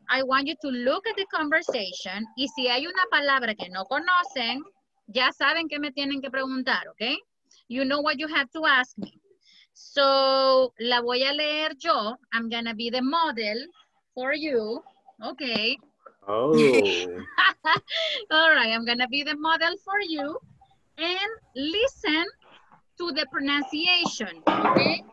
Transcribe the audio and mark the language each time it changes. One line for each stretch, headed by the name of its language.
English: I want you to look at the conversation.
Spanish: Y si hay una palabra que no conocen, ya saben que me tienen que preguntar, okay?
English: You know what you have to ask me. So,
Spanish: la voy a leer yo.
English: I'm gonna be the model for you, okay? Oh. All right, I'm gonna be the model for you. And listen to the pronunciation, okay?